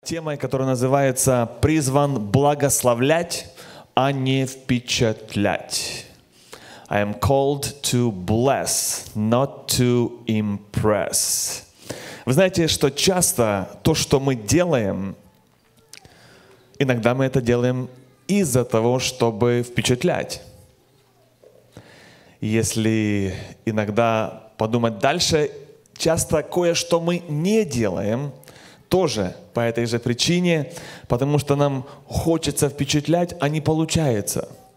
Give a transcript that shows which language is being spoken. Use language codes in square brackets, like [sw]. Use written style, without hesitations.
[ru] Темой, которая называется «Призван благословлять, а не впечатлять». [en] I am called to bless, not to impress. [ru] Вы знаете, что часто то, что мы делаем, иногда мы это делаем из-за того, чтобы впечатлять. Если иногда подумать дальше, часто кое-что мы не делаем тоже по этой же причине, потому что нам хочется впечатлять, а не получается.